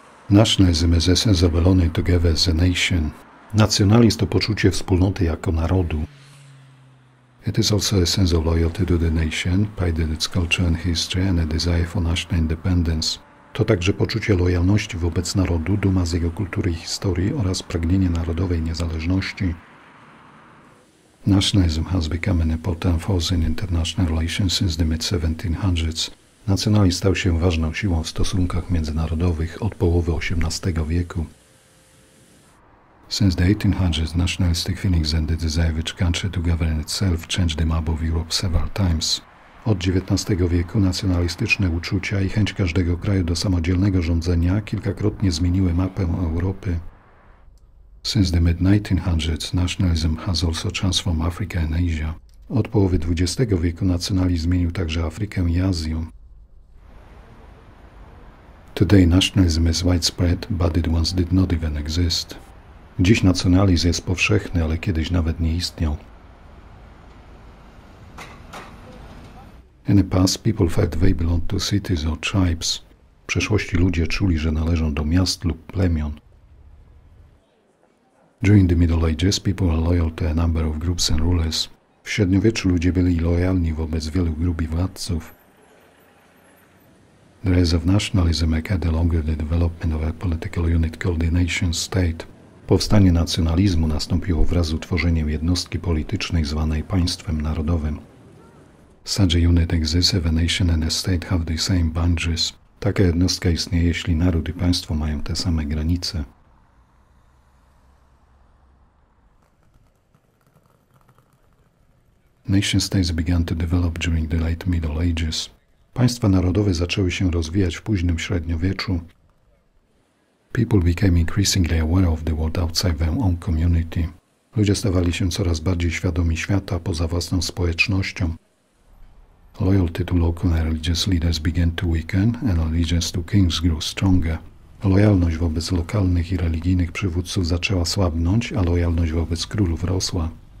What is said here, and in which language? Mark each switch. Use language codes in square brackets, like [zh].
[en] Nationalism is a sense of belonging together as a nation. [pl] Nacjonalizm to poczucie wspólnoty jako narodu. [en] It is also a sense of loyalty to the nation, pride in its culture and history, and a desire for national independence. [pl] To także poczucie lojalności wobec narodu, duma z jego kultury i historii oraz pragnienie narodowej niezależności. [en] Nationalism has become an important force in international relations since the mid-1700s. [pl] Nacjonalizm stał się ważną siłą w stosunkach międzynarodowych od połowy XVIII wieku. [en] Since the 1800s, nationalistic feelings and the desire of each country to govern itself changed the map of Europe several times. [pl] Od XIX wieku nacjonalistyczne uczucia i chęć każdego kraju do samodzielnego rządzenia kilkakrotnie zmieniły mapę Europy. [en] Since the mid-1900s, nationalism has also transformed Africa and Asia. [pl] Od połowy XX wieku nacjonalizm zmienił także Afrykę i Azję. [en] Today nationalism is widespread, but it once did not even exist. [pl] Dziś nacjonalizm jest powszechny, ale kiedyś nawet nie istniał. [en] In the past, people felt they belonged to cities or tribes. [pl] W przeszłości ludzie czuli, że należą do miast lub plemion. [en] During the Middle Ages, people were loyal to a number of groups and rulers. [pl] W średniowieczu ludzie byli lojalni wobec wielu grup i władców. [en] The rise of nationalism occurred along with the development of a political unit called the nation state. [pl] Powstanie nacjonalizmu nastąpiło wraz z utworzeniem jednostki politycznej zwanej państwem narodowym. [en] Such a unit exists if a nation and a state have the same boundaries. [pl] Taka jednostka istnieje, jeśli naród i państwo mają te same granice. [en] Nation states began to develop during the late Middle Ages. [pl] Państwa narodowe zaczęły się rozwijać w późnym średniowieczu. [en] People became increasingly aware of the world outside their own community. [pl] Ludzie stawali się coraz bardziej świadomi świata poza własną społecznością. [en] Loyalty to local and religious leaders began to weaken, and allegiance to kings grew stronger. [pl] Lojalność wobec lokalnych i religijnych przywódców zaczęła słabnąć, a lojalność wobec królów rosła.